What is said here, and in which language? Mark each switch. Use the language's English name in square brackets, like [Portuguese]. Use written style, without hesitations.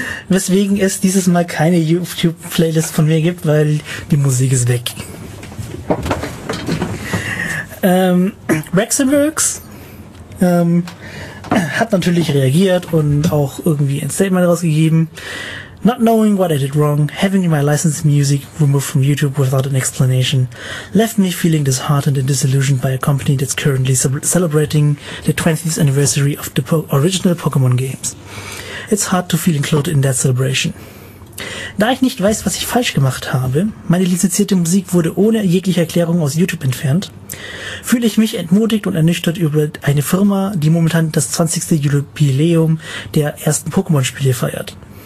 [German] Weswegen es dieses Mal keine YouTube-Playlist von mir gibt, weil die Musik ist weg. Rexenworks hat natürlich reagiert und auch irgendwie ein Statement rausgegeben. [English] Not knowing what I did wrong, having my licensed music removed from YouTube without an explanation, left me feeling disheartened and disillusioned by a company that's currently celebrating the 20th anniversary of the original Pokémon games. It's hard to feel included in that celebration. [German] Da ich nicht weiß, was ich falsch gemacht habe, meine lizenzierte Musik wurde ohne jegliche Erklärung aus YouTube entfernt, fühle ich mich entmutigt und ernüchtert über eine Firma, die momentan das 20. Jubiläum der ersten Pokémon-Spiele feiert.